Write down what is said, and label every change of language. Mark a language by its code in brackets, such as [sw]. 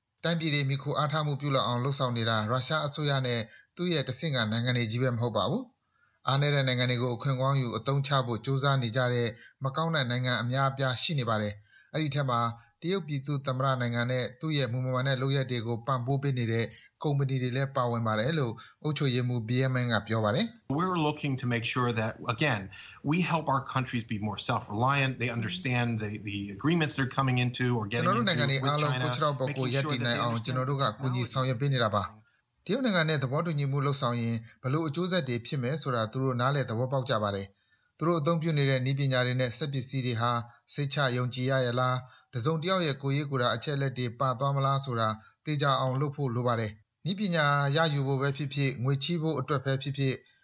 [my] တိုင်းပြည်တွေမိခိုအားထားမှုပြုလုပ်အောင်လှုပ်ဆောင်နေတာရုရှားအစိုးရနဲ့သူ့ရဲ့တဆင့်ကနိုင်ငံတွေကြီးပဲမဟုတ်ပါဘူး။အားနည်းတဲ့နိုင်ငံတွေကိုအခွင့်အကောင်းယူအသုံးချဖို့ကြိုးစားနေကြတဲ့မကောင်းတဲ့နိုင်ငံအများအပြားရှိနေပါတယ်။အဲ့ဒီထက်မှာတရုတ်ပြည်သူသမ္မတနိုင်ငံနဲ့သူ့ရဲ့မူမမာနဲ့လုပ်ရက်တွေကိုပံ့ပိုးပေးနေတဲ့ကုမ္ပဏီတွေလည်းပါဝင်ပါတယ်လို့အုပ်ချုပ်ရေးမှူး BMN ကပြောပါတယ် [en] We're looking to make sure that again we help our countries be more self-reliant they understand the agreements they're coming into or getting into with China [my] ကျွန်တော်တို့နိုင်ငံတွေကကူညီဆောင်ရွက်ပေးနေတာပါတရုတ်နိုင်ငံနဲ့သဘောတူညီမှုလုပ်ဆောင်ရင်ဘလို့အကျိုးဆက်တွေဖြစ်မယ်ဆိုတာသူတို့နားလည်သဘောပေါက်ကြပါတယ်သူတို့အသုံးပြုနေတဲ့နည်းပညာတွေနဲ့စက်ပစ္စည်းတွေဟာစိတ်ချယုံကြည်ရရလားတစုံတယောက်ရဲ့ကိုယ်ရေးကိုယ်တာအချက်လက်တွေပါသွားမလားဆိုတာသိကြအောင်လုပ်ဖို့လိုပါတယ်။နည်းပညာရယူဖို့ပဲဖြစ်ဖြစ်ငွေချီးဖို့အတွက်ပဲဖြစ်ဖြစ်